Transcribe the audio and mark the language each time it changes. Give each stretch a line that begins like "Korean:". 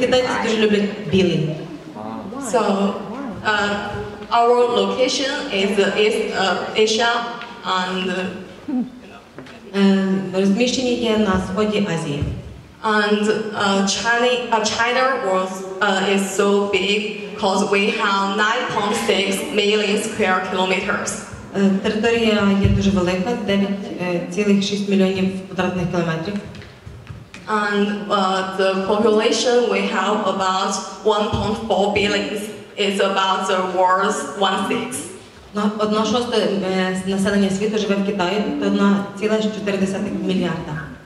Ukrainian: Китайці дуже люблять білий.
English: So, our location is East Asia and
Ukrainian: розміщені є на сході Азії.
English: And China was is so big because we have 9.6 million square kilometers.
Ukrainian: Територія є дуже велика, 9.6 мільйонів квадратних кілометрів.
English: And the population we have about 1.4 billion is about the world's 1/6.
Ukrainian: Одна шоста населення світу живе в Китаї, то 1.4 мільярда.